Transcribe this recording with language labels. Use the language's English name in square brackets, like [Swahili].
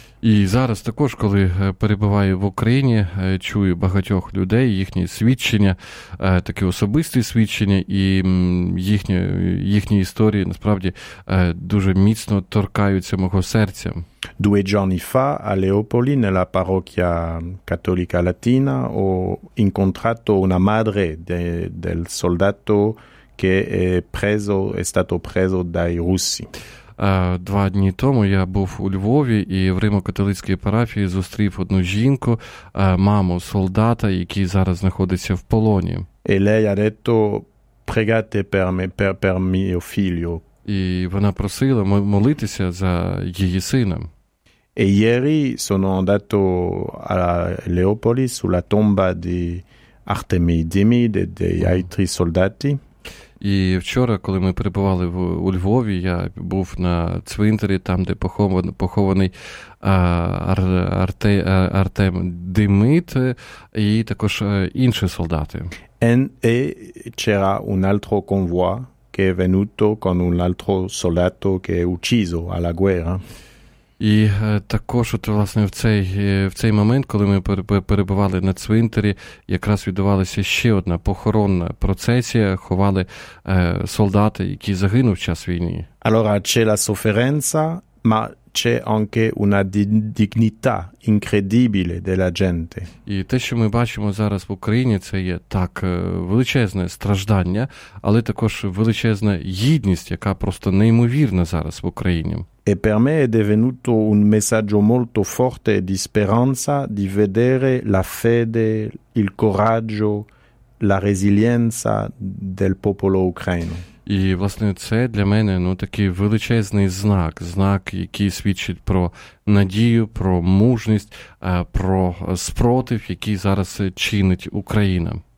[Ukrainian] І зараз також, коли перебуваю в Україні, чую багатьох людей, їхні свідчення, такі особисті свідчення, і їхні історії, насправді, дуже міцно торкаються мого серця. [Italian] Due giorni fa a Leopoli, nella parrocchia cattolica latina, ho incontrato una madre del soldato che è stato preso dai russi. [Ukrainian] Два дні тому я був у Львові і в Римо-католицькій парафії зустрів одну жінку, маму солдата, який зараз знаходиться в полоні. [Italian] E lei ha detto pregate per me per mio figlio. [Ukrainian] І вона просила молитися за її сина. [Italian] E ieri sono andato a Leopoli sulla tomba di Artemi Demide e dei altri soldati. [Ukrainian] І вчора, коли ми перебували у Львові, я був на цвинтарі, там, де похований Артем Демид і також інші солдати. [Italian] E c'era un altro convoy che è venuto con un altro soldato che è ucciso alla guerra. [Ukrainian] І також, от, власне, в цей момент, коли ми перебували на цвинтарі, якраз відбувалася ще одна похоронна процесія, ховали солдати, які загинув в час війни. [Italian] Allora, c'è la sofferenza, ma c'è anche una dignità incredibile della gente. [Ukrainian] І те, що ми бачимо зараз в Україні, це є так величезне страждання, але також величезна гідність, яка просто неймовірна зараз в Україні. [Italian] E per me è divenuto un messaggio molto forte di speranza di vedere la fede, il coraggio, la resilienza del popolo ucraino. [Ukrainian] І, власне, це для мене, ну, такий величезний знак, який свідчить про надію, про мужність, про спротив, який зараз чинить Україна.